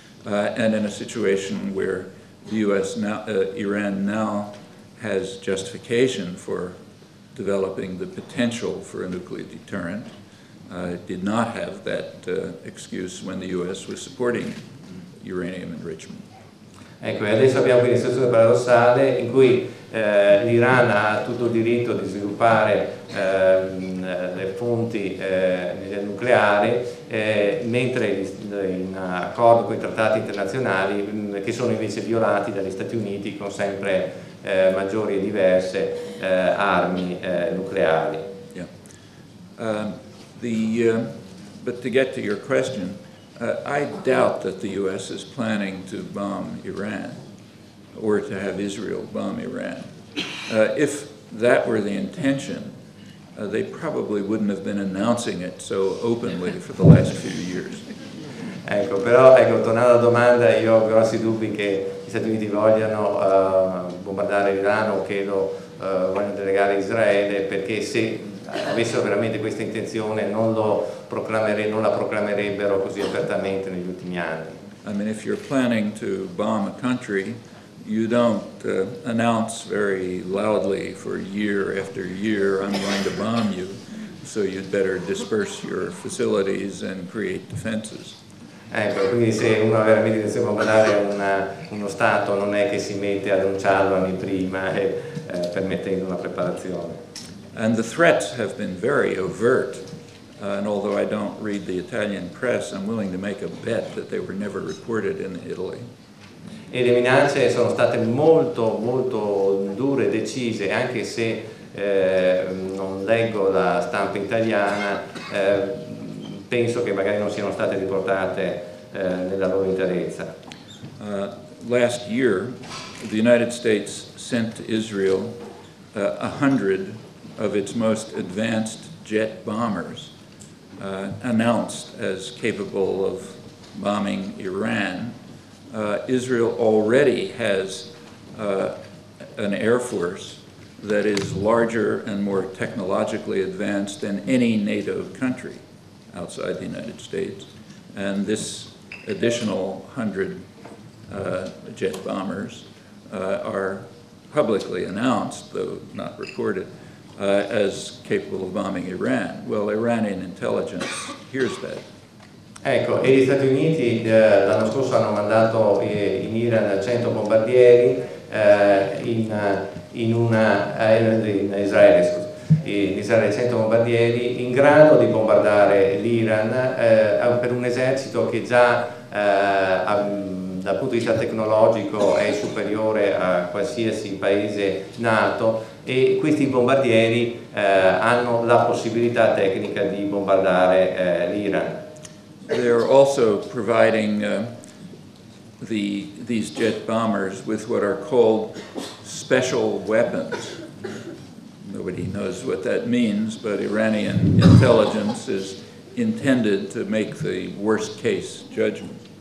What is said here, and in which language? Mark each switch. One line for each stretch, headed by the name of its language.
English: And in a situation where the U.S. now, Iran now has justification for developing the potential for a nuclear deterrent, did not have that excuse when the U.S. was supporting uranium enrichment.
Italian: Ecco, adesso abbiamo quindi una situazione paradossale in cui l'Iran ha tutto il diritto di sviluppare le fonti nucleari, mentre in accordo con i trattati internazionali, che sono invece violati dagli Stati Uniti con sempre maggiori e diverse armi nucleari.
English: Yeah. But to get to your question, I doubt that the U.S. is planning to bomb Iran or to have Israel bomb Iran. If that were the intention, they probably wouldn't have been announcing it so openly for the last few years.
Italian: Ecco, però, ecco, tornando alla domanda, io ho grossi dubbi che gli Stati Uniti vogliano bombardare l'Iran o che lo vogliono delegare a Israele, perché se avessero veramente questa intenzione non la proclamerebbero così apertamente negli ultimi anni.
English: I mean, if you're planning to bomb a country, you don't announce very loudly for year after year, I'm going to bomb you. so you'd better disperse your facilities and create defenses.
Italian: Ecco, quindi se uno ha veramente intenzione di bombardare uno Stato, non è che si mette ad annunciarlo anni prima e permettendo una preparazione.
English: And the threats have been very overt, and although I don't read the Italian press, I'm willing to make a bet that they were never reported in Italy.
Italian: E le minacce sono state molto, molto dure e decise, anche se non leggo la stampa italiana, penso che magari non siano state riportate nella loro interezza.
English: Last year, the United States sent to Israel 100 of its most advanced jet bombers, announced as capable of bombing Iran. Israel already has an air force that is larger and more technologically advanced than any NATO country outside the United States. And this additional 100 jet bombers are publicly announced, though not reported, as capable of bombing Iran. Well, Iranian intelligence hears that.
Italian: Ecco, e gli Stati Uniti l'anno scorso hanno mandato in Iran 100 bombardieri in Israele 100 bombardieri in grado di bombardare l'Iran per un esercito che già dal punto di vista tecnologico è superiore a qualsiasi paese NATO, e questi bombardieri hanno la possibilità tecnica di bombardare l'Iran.
English: They're also providing these jet bombers with what are called special weapons. Nobody knows what that means, but Iranian intelligence is intended to make the worst case judgment.